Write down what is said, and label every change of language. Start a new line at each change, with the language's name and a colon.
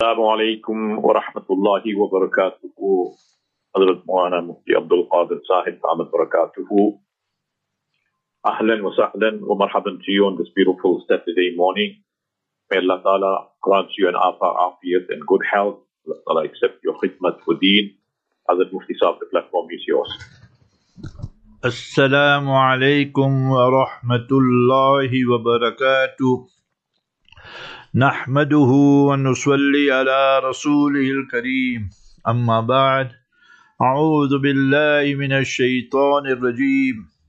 Arabic: السلام عليكم ورحمة الله وبركاته. حضرت مولانا مفتي عبد القادر صاحب نعم بركاته. أهلا وسهلا ومرحبا
English: to you on this beautiful Saturday morning. May Allah Ta'ala grant you an afiyat and good health. Allah Ta'ala accept your khidmat for deen. Hazrat Mufti Sahib, the platform is yours.
Arabic: السلام عليكم ورحمة الله وبركاته. نحمده ونصلي على رسوله الكريم. أما بعد، أعوذ بالله من الشيطان الرجيم.